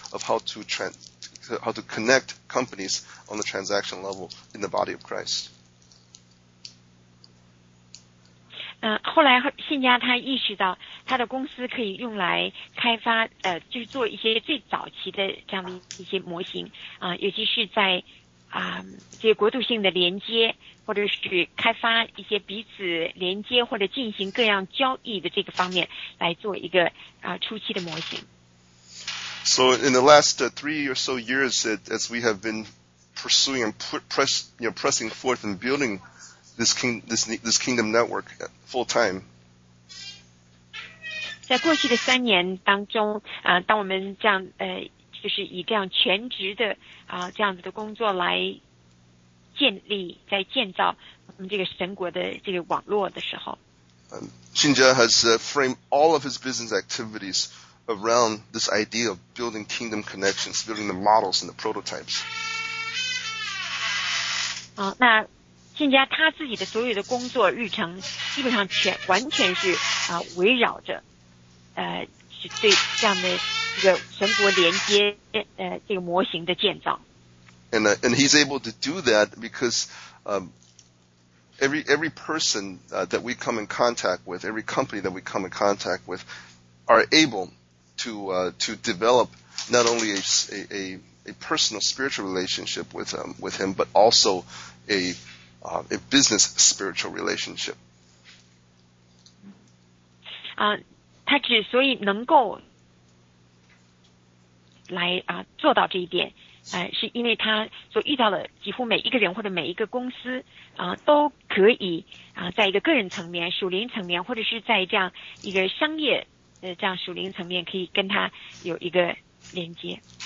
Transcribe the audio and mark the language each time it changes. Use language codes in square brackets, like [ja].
[en] of how to connect companies on the transaction level in the body of Christ. [zh] 后来信家他意识到他的公司可以用来开发就是做一些最早期的这样的一些模型啊、尤其是在啊、这些国度性的连接，或者是开发一些彼此连接或者进行各样交易的这个方面来做一个啊、初期的模型。 [en] So in the last three or so years, as we have been pursuing and pressing forth and building this kingdom network full time. [zh] 在过去的三年当中，当我们这样就是以这样全职的这样子的工作来建立，在建造我们这个神国的这个网络的时候， [en] Xinjia has framed all of his business activities around this idea of building kingdom connections, building the models and the prototypes. [zh] 那信家他自己的所有的工作日程基本上完全是围绕着是对这样的这个神国连接这个模型的建造。 [en] And he's able to do that because every person that we come in contact with, every company that we come in contact with are able to develop not only a personal spiritual relationship with him, but also a business spiritual relationship. [zh] 他之所以能够来做到这一点，是因为他所遇到的几乎每一个人或者每一个公司都可以在一个个人层面、属灵层面，或者是在这样一个商业这样属灵层面，可以跟他有一个连接。